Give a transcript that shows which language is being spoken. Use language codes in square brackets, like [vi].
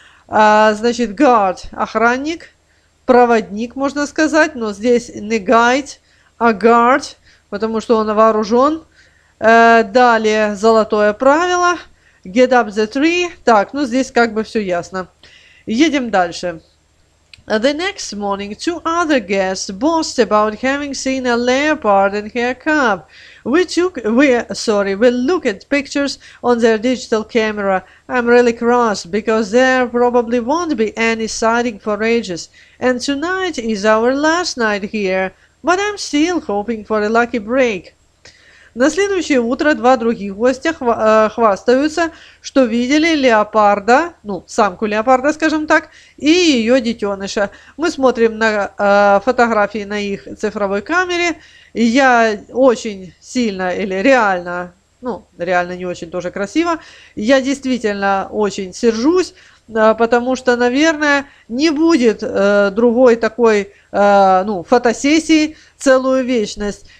[ru] Значит, guard – охранник. Проводник, можно сказать. Но здесь не guide, а guard, потому что он вооружен. Далее золотое правило. [en] Get up the tree. [ru] Так, ну здесь как бы все ясно. Едем дальше. [en] The next morning, two other guests boast about having seen a leopard and her cub. We look at pictures on their digital camera. I'm really cross because there probably won't be any sighting for ages. And tonight is our last night here. But I'm still hoping for a lucky break. [ru] На следующее утро два других гостя хвастаются, что видели леопарда, ну, самку леопарда, скажем так, и ее детеныша. Мы смотрим на фотографии на их цифровой камере. И я очень сильно или реально, ну, реально не очень тоже красиво, я действительно очень сержусь, потому что, наверное, не будет другой такой фотосессии целую вечность.